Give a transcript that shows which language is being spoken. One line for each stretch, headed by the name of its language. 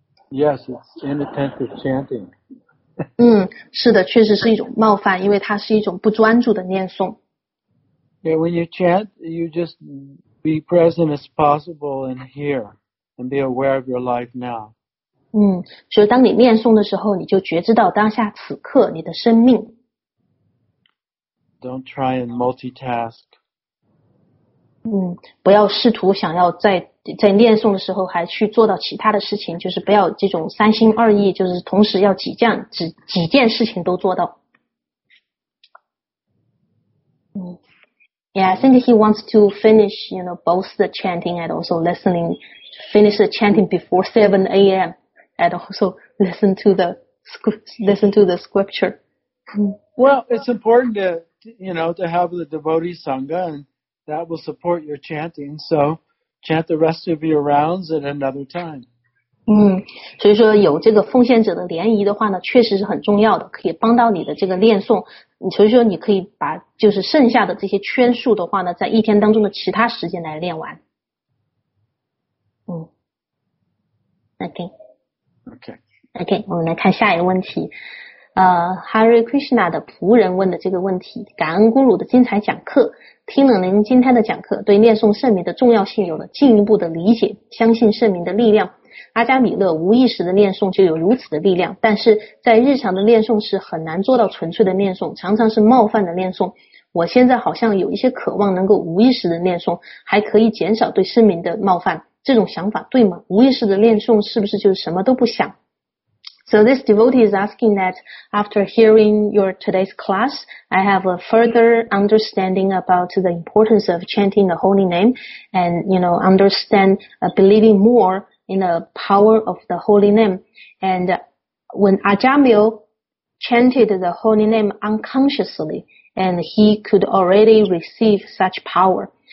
English: Yes, it's inattentive chanting.
Chinese: 是的，确实是一种冒犯，因为它是一种不专注的念诵。
English: Yeah, when you chant, you just be present as possible and hear and be aware of your life now.
Chinese: 所以当你念诵的时候，你就觉知到当下此刻你的生命。
English: Don't try and multitask.
Chinese: 不要试图想要在念诵的时候还去做到其他的事情，就是不要这种三心二意，就是同时要几件事情都做到。
English: Yeah, I think he wants to finish, you know, both the chanting and also listening, finish the chanting before 7 a.m. and also listen to the scripture. Well, it's important to have the devotee sangha, and that will support your chanting. So chant the rest of your rounds at another time.
Chinese: 所以说有这个奉献者的联谊的话呢，确实是很重要的，可以帮到你的这个念诵。所以说你可以把就是剩下的这些圈数的话呢，在一天当中的其他时间来练完。 OK 我们来看下一个问题。 Hare Krishna 的仆人问的这个问题，感恩咕噜的精彩讲课，听了您今天的讲课，对念诵圣名的重要性有了进一步的理解，相信圣名的力量。阿加米勒无意识的念诵就有如此的力量，但是在日常的念诵时很难做到纯粹的念诵，常常是冒犯的念诵。我现在好像有一些渴望能够无意识的念诵，还可以减少对圣名的冒犯，这种想法对吗？无意识的念诵是不是就是什么都不想？
English: So this devotee is asking that after hearing your today's class, I have a further understanding about the importance of chanting the holy name and, you know, understand, believing more in the power of the holy name. And when Ajamil chanted the holy name unconsciously, and he could already receive such power.